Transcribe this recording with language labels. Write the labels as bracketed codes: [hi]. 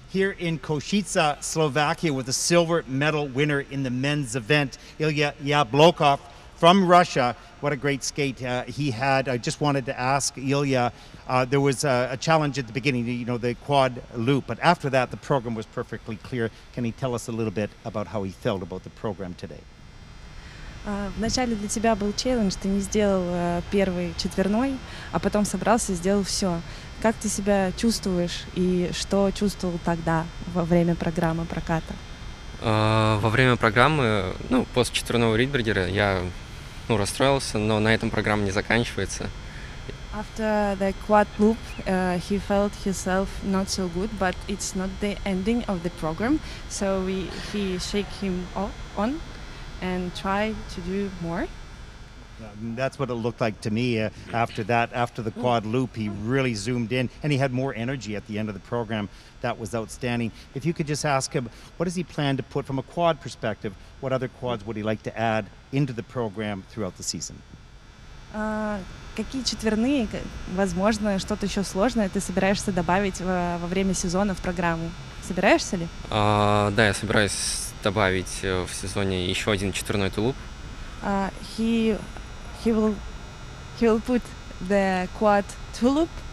[en] here in Kosice, Slovakia, with a silver medal winner in the men's event, Ilya Yablokov from Russia. What a great skate he had. I just wanted to ask Ilya, there was a challenge at the beginning, you know, the quad loop, but after that, the program was perfectly clear. Can he tell us a little bit about how he felt about the program today? [ru] Вначале для тебя был челлендж, ты не сделал первый четверной, а потом собрался и сделал все. Как ты себя чувствуешь и что чувствовал тогда во время программы проката? Во время программы, ну, после четверного Ридбергера я, ну, расстроился, но на этом программа не заканчивается. [en] After the quad loop, he felt himself not so good, but it's not the ending of the program, so he shake him off on. And try to do more. That's what it looked like to me after that, after the quad loop. He really zoomed in and he had more energy at the end of the program. That was outstanding. If you could just ask him, what does he plan to put from a quad perspective? What other quads would he like to add into the program throughout the season? [ru] Какие четверные, возможно, что-то еще сложное ты собираешься добавить во время сезона в программу? Собираешься ли? Да, я собираюсь добавить в сезоне еще один четверной тулуп. [en] He will put the quad tulup.